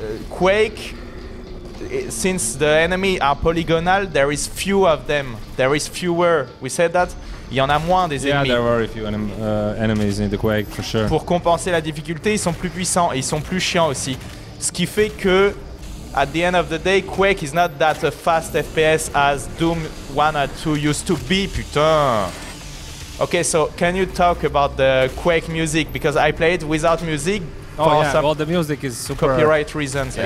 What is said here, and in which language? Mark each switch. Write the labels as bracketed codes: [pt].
[en] Quake, since the enemy are polygonal, there is few of them. There is fewer. We said that? [fr] Il y en a moins des ennemis. [en] Yeah, there were a few enemies in the Quake, for sure. [fr] Pour compenser la difficulté, ils sont plus puissants et ils sont plus chiants aussi. Ce qui fait que... [en] At the end of the day, Quake is not that fast FPS as Doom 1 or 2 used to be, [fr] putain. [en] Okay, so can you talk about the Quake music? Because I play it without music. Oh, for yeah. Some well, the music is super... Copyright reasons,